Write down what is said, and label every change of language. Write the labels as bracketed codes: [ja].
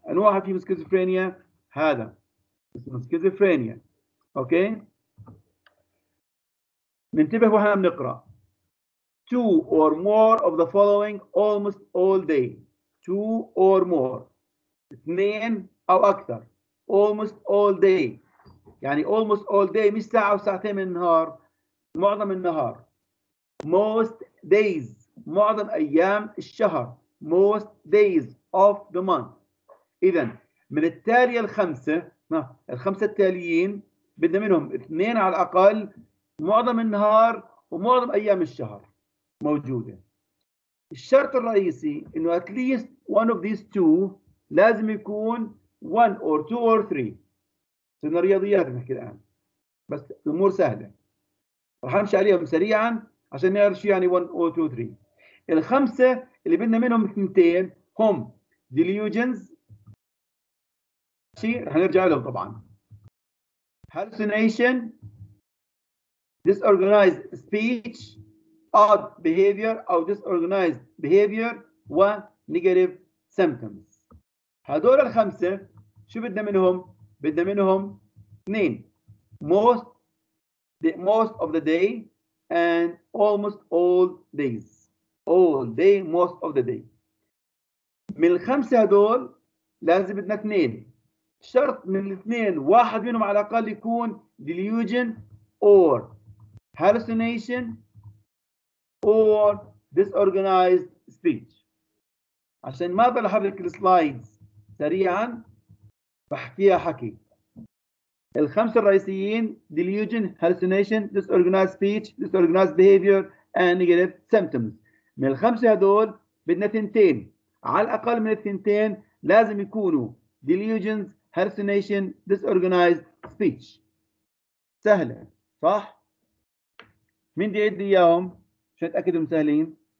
[ar] انواع في سكيزوفرينيا هذا اسمه سكيزوفرينيا، اوكي؟ ننتبه واحنا بنقرا [en] two or more of the following almost all day، [ar] two or more، اثنين او اكثر، almost all day يعني almost all day مش ساعه وساعتين من النهار، معظم النهار، [en] most days [ar] معظم أيام الشهر [en] most days of the month. [ar] إذن من التالية الخمسة الخمسة التاليين بدنا منهم اثنين على الأقل معظم النهار ومعظم أيام الشهر موجودة. الشرط الرئيسي إنه [en] at least one of these two [ar] لازم يكون [en] one or two or three. [ar] صرنا رياضيات نحكي الآن بس الأمور سهلة رح نمشي عليهم سريعا عشان نعرف شو يعني [en] one or two or three. [ar] الخمسة اللي بدنا منهم اثنتين هم delusions شيء رح نرجع لهم طبعا hallucination disorganized speech odd behavior أو disorganized behavior و negative symptoms. هذول الخمسة شو بدنا منهم؟ بدنا منهم اثنين [en] most of the day and almost all day most of the day. [ar] من الخمسة هذول لازم بدنا اثنين. شرط من الاثنين واحد منهم على الأقل يكون delusion or hallucination or disorganized speech. عشان ما بحرك السلايدز سريعا بحكيها حكي. الخمسة الرئيسيين [en] delusion, hallucination, disorganized speech, disorganized behavior and negative symptoms. [ar] من الخمسة هذول بدنا ثنتين على الأقل من الثنتين لازم يكونوا delusions, hallucination, disorganized speech. سهلة صح؟ مين دي عدي إياهم؟ شو أتأكد هم سهلين؟